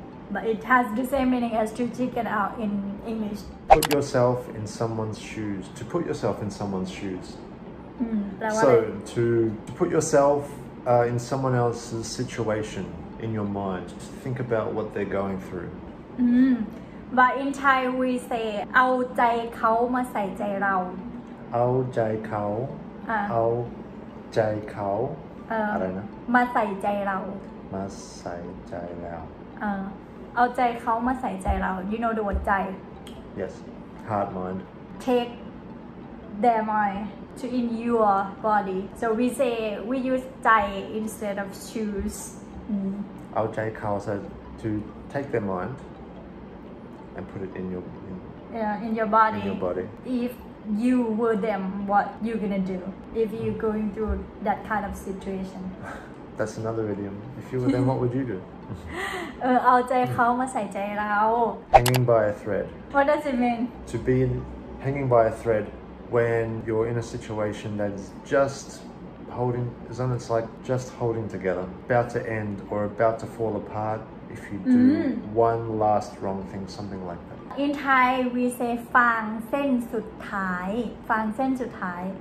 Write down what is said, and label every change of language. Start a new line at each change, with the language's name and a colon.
English: But it has the same meaning as to chicken out in English. Put yourself in someone's shoes. To put yourself in someone's shoes. So, to put yourself... in someone else's situation in your mind just think about what they're going through but in Thai we say
Thai: เอาใจเขามาใส่ใจเรา เอาใจเขาเอาใจเขาอะไรนะ มาใส่ใจเราม าใส่ใจแล้ว เอาใจเขามาใส่ใจเรา
English: you know the word
Thai: ใจ
English: yes heart mind take their mind to in your body so we say we use ใจ instead of choose
Thai: เอาใจเขา
English: so to take their mind and put it in your in, yeah in your body in your body ifyou were them what you gonna do if you going through that kind of situation that's another idiom if you were them what would you do
Thai: เอาใจเขามาใส่ใจเรา
English: hanging by a thread what does it mean to be hanging by a thread when you're in a situation that's just holding as though it's like just holding together about to end or about to fall apart if you do one last wrong thing something like that In Thai, we say
Thai: ฟังเส้นสุดท้ายฟังเส้นสุดท้าย